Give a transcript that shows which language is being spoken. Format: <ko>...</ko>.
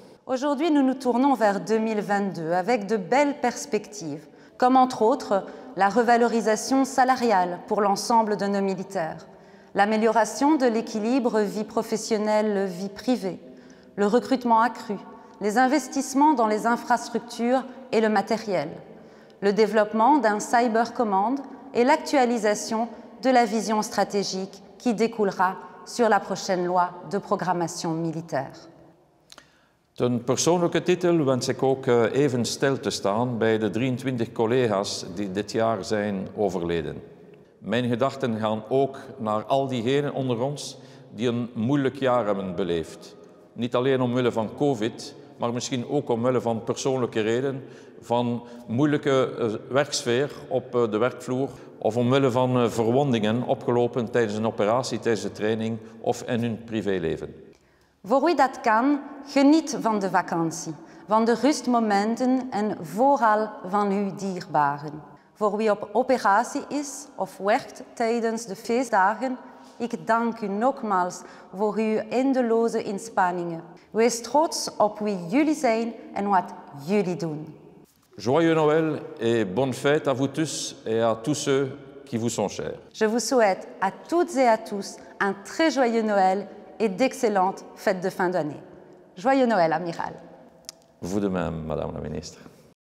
<fr>Aujourd'hui, nous nous tournons vers 2022 avec de belles perspectives, comme entre autres la revalorisation salariale pour l'ensemble de nos militaires, l'amélioration de l'équilibre vie professionnelle-vie privée, le recrutement accru, les investissements dans les infrastructures et le matériel, le développement d'un cyber command et l'actualisation de la vision stratégique qui découlera sur la prochaine loi de programmation militaire.</fr> <nl>Ten persoonlijke titel wens ik ook even stil te staan bij de 23 collega's die dit jaar zijn overleden. Mijn gedachten gaan ook naar al diegenen onder ons die een moeilijk jaar hebben beleefd. Niet alleen omwille van COVID, maar misschien ook omwille van persoonlijke redenen, van moeilijke werksfeer op de werkvloer of omwille van verwondingen opgelopen tijdens een operatie, tijdens de training of in hun privéleven. Voor wie dat kan, geniet van de vakantie, van de rustmomenten en vooral van uw dierbaren. Voor wie op operatie is of werkt tijdens de feestdagen, ik dank u nogmaals voor uw eindeloze inspanningen. Wees trots op wie jullie zijn en wat jullie doen.</nl> <fr>Joyeux Noël et bonne fête à vous tous et à tous ceux qui vous sont chers. Je vous souhaite à toutes et à tous un très joyeux Noël et d'excellentes fêtes de fin d'année. Joyeux Noël, amiral. Vous de même, madame la ministre.</fr>